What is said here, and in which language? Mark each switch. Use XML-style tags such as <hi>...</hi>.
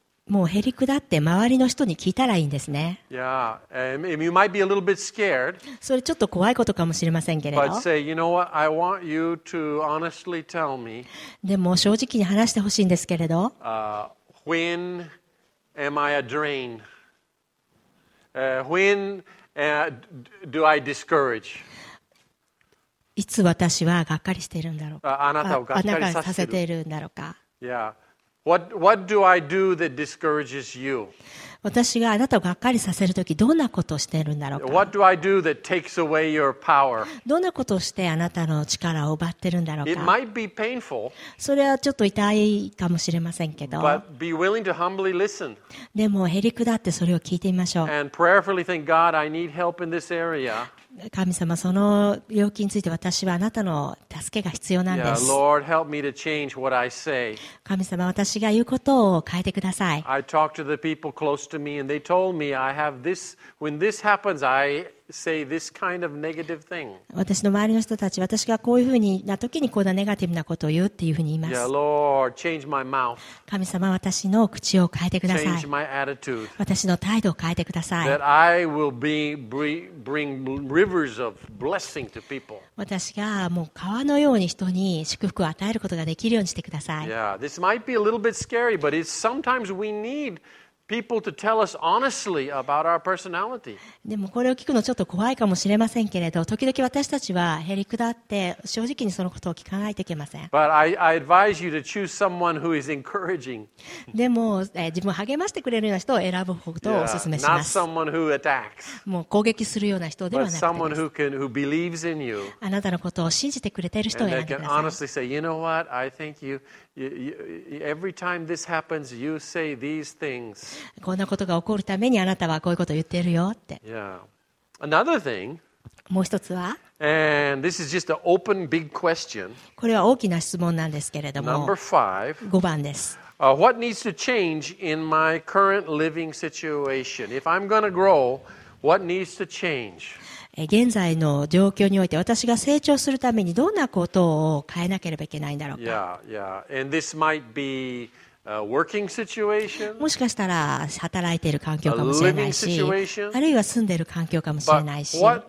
<ja>もうへりくだって周りの人に聞いたらいいんですね。</ja> <en>Yeah, and you might be a little bit scared.</en> <ja>それちょっと怖いことかもしれませんけれど。</ja> <en>But say, you know what? I want you to honestly tell me.</en> <ja>でも正直に話してほしいんですけれど。</ja> <en>When am I a drain? When? Do I discourage?</en> <ja>いつ私はがっかりしているんだろうか。あなたをがっかりさせているんだろうか。</ja> <en>Yeah. What do I do that discourages you?</en> <ja>私があなたをがっかりさせるときどんなことをしているんだろうか。</ja> <en>What do I do that takes away your power?</en> <ja>どんなことをしてあなたの力を奪っているんだろうか。</ja> <en>It might be painful.</en> <ja>それはちょっと痛いかもしれませんけど。</ja> <en>But be willing to humbly listen.</en> <ja>でもへりくだってそれを聞いてみましょう。</ja> <en>And prayerfully thank God, I need help in this area.</en> <ja>神様、その病気について私はあなたの助けが必要なんです。</ja> <en>Yeah, Lord, help me to change what I say.</en> <ja>神様、私が言うことを変えてください。</ja> <en>I talked to the people close to me and they told me I have this, when this happens, I say this kind of negative thing.</en> <ja>私の周りの人たち、私がこういうふうな時にこんなネガティブなことを言うっていうふうに言います。</ja> <en>Yeah, Lord, change my mouth.</en> <ja>神様、私の口を変えてください。</ja> <en>Change my attitude.</en> <ja>私の態度を変えてください。</ja> <en>That I will bring rivers of blessing to people.</en> <ja>私がもう川のように人に祝福を与えることができるようにしてください。</ja> <en>Yeah, this might be a little bit scary, but it's sometimes we need people to tell us honestly about our personality.</en> <ja>でもこれを聞くのちょっと怖いかもしれませんけれど、時々私たちはへりくだって正直にそのことを聞かないといけません。</ja> <en>But I advise you to choose someone who is encouraging.</en> <ja>でも、自分を励ましてくれるような人を選ぶことをお勧めします。</ja> <en>Not someone who attacks.</en> <ja>もう攻撃するような人ではなくて。</ja> <en>But someone who believes in you.</en> <ja>あなたのことを信じてくれている人を選んでください。</ja> <en>And they can honestly say, you know what? I think you. Every time this happens, you say these things.</en> <ja>こんなことが起こるためにあなたはこういうことを言ってるよって。</ja> <en>Yeah. Another thing.</en> <ja>もう一つは。</ja> <en>And this is just an open big question.</en> <ja>これは大きな質問なんですけれども。</ja> <en>Number five.</en> <ja>五番です。</ja> <en>What needs to change in my current living situation? If I'm going to grow, what needs to change?</en> <ja>現在の状況において私が成長するためにどんなことを変えなければいけないんだろうか。</ja> <en>yeah, yeah. And this might be a working situation,</en> <ja>もしかしたら働いている環境かもしれないし、あるいは住んでいる環境かもしれないし、</ja>